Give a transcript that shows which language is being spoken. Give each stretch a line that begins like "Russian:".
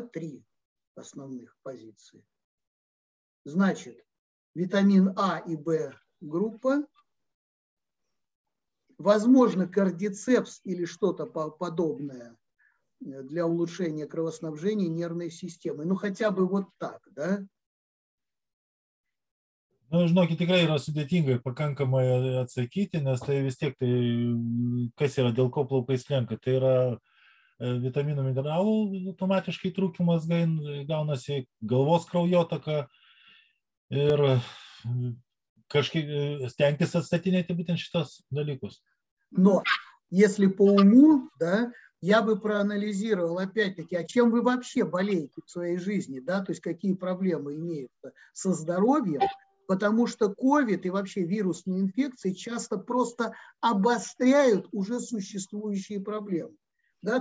Russian: Три основных позиции. Значит, витамин А и В группа. Возможно, кордицепс или что-то подобное для улучшения кровоснабжения нервной системы. Ну, хотя бы вот так, да?
Lithuanian: Ну, жноки, тикрай yra sudėtinga pakankamai atsakyti, nes tai vis tiek, tai kas yra, dėl ko plaukai slenka, tai yra vitaminų mineralų automatiškai trūkimas gaunasi, galvos kraujotaka ir kažkaip stengtis atstatinėti būtent šitas dalykus.
Russian: Но, если по уму, да, я бы проанализировал опять-таки, а чем вы вообще болеете в своей жизни, да, то есть какие проблемы имеются со здоровьем, потому что COVID и вообще вирусные инфекции часто просто обостряют уже существующие проблемы. Да?